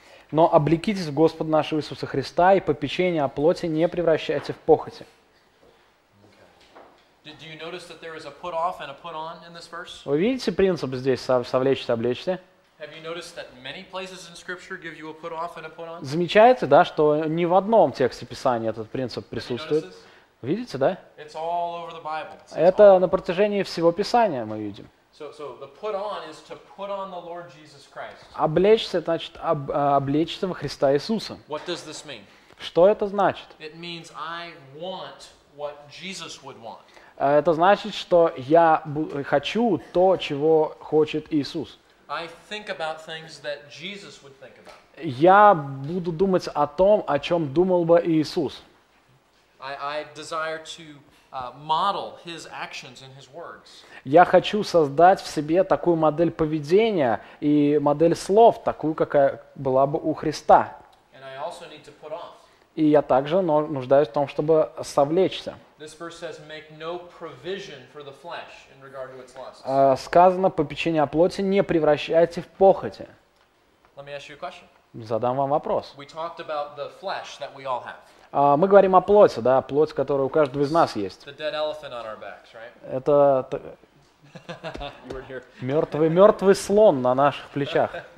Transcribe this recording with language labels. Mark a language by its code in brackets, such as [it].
[ru] Но облекитесь в Господа нашего Иисуса Христа, и попечение о плоти не превращайте в похоти. [en] Do you notice that there is a put off and a put on in this verse? [ru] Вы видите принцип здесь, совлечься, облечься? [en] Have you noticed that many places in Scripture give you a put off and a put on? [ru] Замечаете, да, что ни в одном тексте Писания этот принцип присутствует? Видите, да? [en] It's all over the Bible. [ru] Это на протяжении всего Писания мы видим. [en] So the put on is to put on the Lord Jesus Christ. [ru] Облечься, значит, облечься во Христа Иисуса. [en] What does this mean? [ru] Что это значит? [en] It means I want what Jesus would want. [ru] Это значит, что я хочу то, чего хочет Иисус. [en] I think about things that Jesus would think about. [ru] Я буду думать о том, о чем думал бы Иисус. [en] I desire to model his actions and his words. [ru] Я хочу создать в себе такую модель поведения и модель слов, такую, какая была бы у Христа. [en] And I also need to put off. [ru] И я также нуждаюсь в том, чтобы совлечься. [en] This verse says, make no provision for the flesh in regard to its lusts. [ru] Сказано, попечение о плоти не превращайте в похоти. [en] Let me ask you a question. [ru] Задам вам вопрос. [en] We talked about the flesh that we all have. [ru] Мы говорим о плоти, да, плоть, которая у каждого из нас есть. [en] Backs, right? [ru] Это мертвый слон на наших плечах.